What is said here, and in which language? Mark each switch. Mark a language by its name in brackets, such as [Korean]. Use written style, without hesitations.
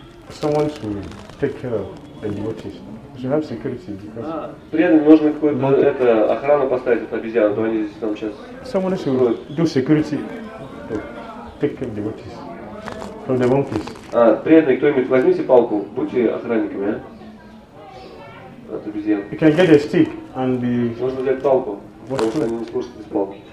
[English] Someone should take care of the devotees. We should have security because. [Russian] Преданным нужно какую-то это охрану поставить от обезьян, то они здесь там сейчас. [English] Someone should do security. Take care of the devotees from the monkeys. [Russian] Преданный, кто-нибудь возьмите палку, будьте охранниками, а? От обезьян. [English] You can get a stick and be. [Russian] Можно взять палку, потому что они не слушают без палки.